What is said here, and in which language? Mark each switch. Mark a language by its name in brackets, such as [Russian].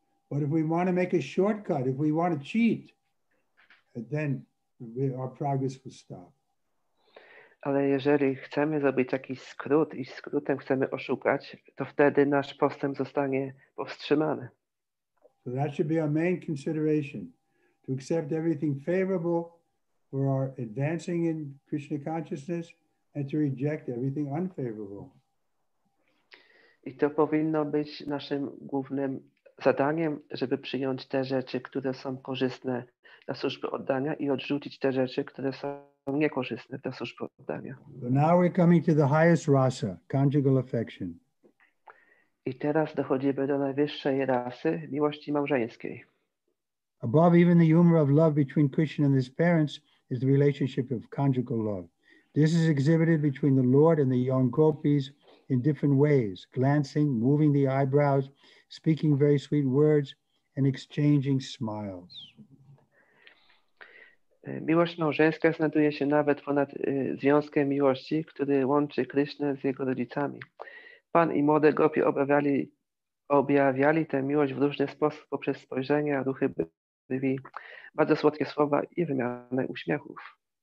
[English] But if we want to make a shortcut, if we want to cheat, then our progress will stop. [Polish] Ale jeżeli chcemy zrobić jakiś skrót i skrótem chcemy oszukać, to wtedy nasz postęp zostanie powstrzymany. [English] So that should be our main consideration, to accept everything favorable for our advancing in Krishna consciousness and to reject everything unfavorable. [Polish] I to powinno być naszym głównym zadaniem, żeby przyjąć te rzeczy, które są korzystne dla służby oddania i odrzucić te rzeczy, które są niekorzystne dla służby oddania. [English] So now we're coming to the highest rasa, conjugal affection. [Polish] I teraz dochodzimy do najwyższej rasy, miłości małżeńskiej. [English] Above even the umra of love between Krishna and his parents is the relationship of conjugal love. This is exhibited between the Lord and the young gopis in different ways, glancing, moving the eyebrows, speaking very sweet words, and exchanging smiles. [Polish] Miłość małżeńska znajduje się nawet ponad związkiem miłości, który łączy Krishna z jego rodzicami. Pan i młode gopi objawiali tę miłość w różny sposób poprzez spojrzenia, ruchy brwi, bardzo słodkie słowa i wymianę uśmiechów.